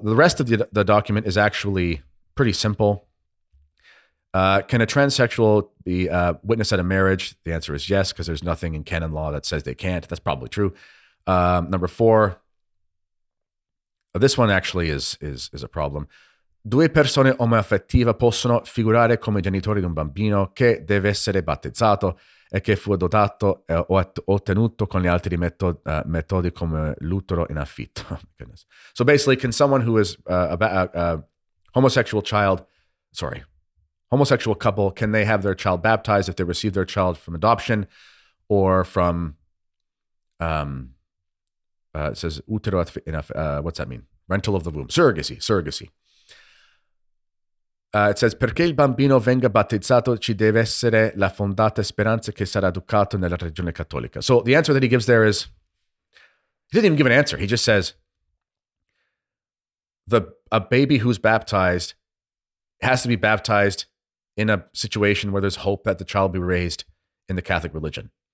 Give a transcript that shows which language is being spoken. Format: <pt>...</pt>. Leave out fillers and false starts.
<en>The rest of the document is actually pretty simple. Can a transsexual be a witness at a marriage? The answer is yes, because there's nothing in canon law that says they can't. That's probably true. Number four, this one actually is a problem.</en> <it>Due persone omoaffettive possono figurare come genitori di un bambino che deve essere battezzato e che fu dotato o ottenuto con gli altri metodi come l'utero in affitto.</it> <en>Goodness. So basically, can someone who is homosexual couple, can they have their child baptized if they receive their child from adoption or from, it says</en> <it>utero in affitto,</it> <en>what's that mean? Rental of the womb, surrogacy. It says,</en> <it>perché il bambino venga battezzato ci deve essere la fondata speranza che sarà educato nella religione cattolica.</it> <en>So the answer that he gives there is, he didn't even give an answer. He just says, a baby who's baptized has to be baptized in a situation where there's hope that the child will be raised in the Catholic religion.</en>